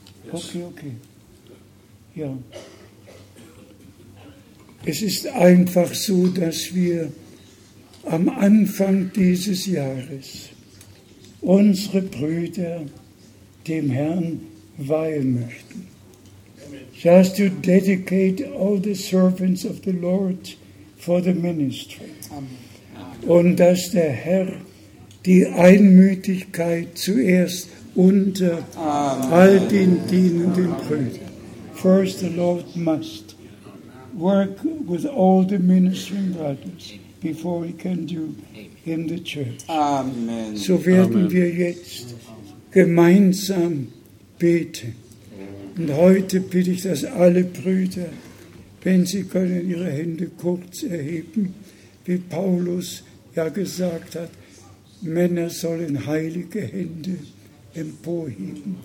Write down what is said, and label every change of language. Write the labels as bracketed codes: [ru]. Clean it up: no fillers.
[en] Yes. Okay, okay. Ja. [de] Es ist einfach so, dass wir am Anfang dieses Jahres unsere Brüder dem Herrn weihen möchten. [en] Just to dedicate all the servants of the Lord for the ministry. [de] Und dass der Herr die Einmütigkeit zuerst unter all den dienenden Brüdern. [en] First the Lord must work with all the ministering brothers before he can do in the church. [de] Amen. So werden wir jetzt gemeinsam beten. Und heute bitte ich, dass alle Brüder, wenn sie können, ihre Hände kurz erheben, wie Paulus ja gesagt hat, Männer sollen heilige Hände emporheben.